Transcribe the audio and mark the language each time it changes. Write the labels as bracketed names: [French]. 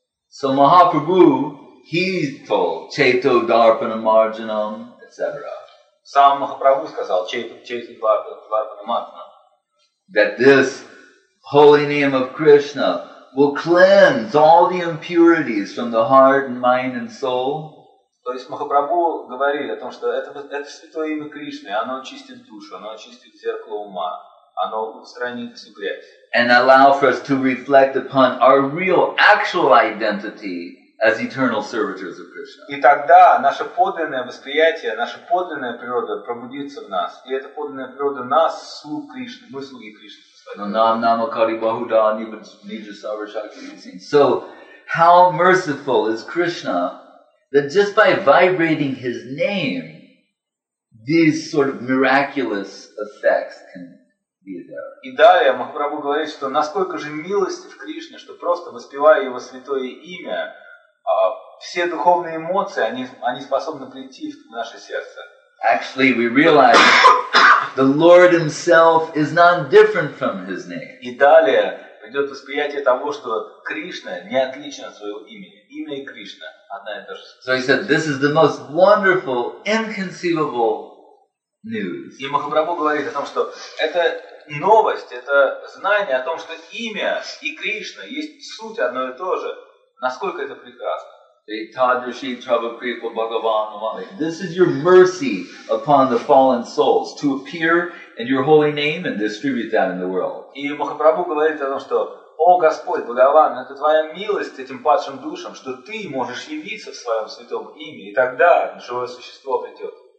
[English] So Mahaprabhu, he told [Sanskrit] Chaito Dharpana Marjanam, [English] etc. [Russian] Сам Махапрабху сказал [Sanskrit] Чайто Дварпана Марджанам. [English] That this holy name of Krishna will cleanse all the impurities from the heart and mind and soul. [Russian] То есть Махапрабху говорил о том, что это святое имя Кришны, оно очистит душу, оно очистит зеркало ума. Оно устранит всю грязь. [English] And allow for us to reflect upon our real, actual identity as eternal servitors of Krishna. [Russian] И тогда наше подлинное восприятие, наша подлинная природа пробудится в нас. И эта подлинная природа нас, слуг Кришны, мы слуги Кришны. [Sanskrit] Нам намакари бахуда нибаджа саврашакти. [English] So, how merciful is Krishna that just by vibrating his name, these sort of miraculous effects can [Russian] И далее Махапрабху говорит, что насколько же милостив Кришна, что просто воспевая его святое имя, все духовные эмоции, они способны прийти в наше сердце. [English] Actually, we realize the Lord himself is not different from his name. [Russian] И далее придет восприятие того, что Кришна не отличен от своего имени. Имя и Кришна одна и та же. [English] So he said, this is the most wonderful, inconceivable news. [Russian] И Махапрабху говорит о том, что это новость, это знание о том, что имя и Кришна есть суть одно и то же. Насколько это прекрасно. [Sanskrit] Tadrishi Trabhupripa Bhagavan Mamali. [English] This is your mercy upon the fallen souls to appear in your holy name and distribute that in the world. [Russian] И Махапрабху говорит о том, что о Господь, Бхагаван, это твоя милость этим падшим душам, что ты можешь явиться в своем святом имя, и тогда живое существо придет.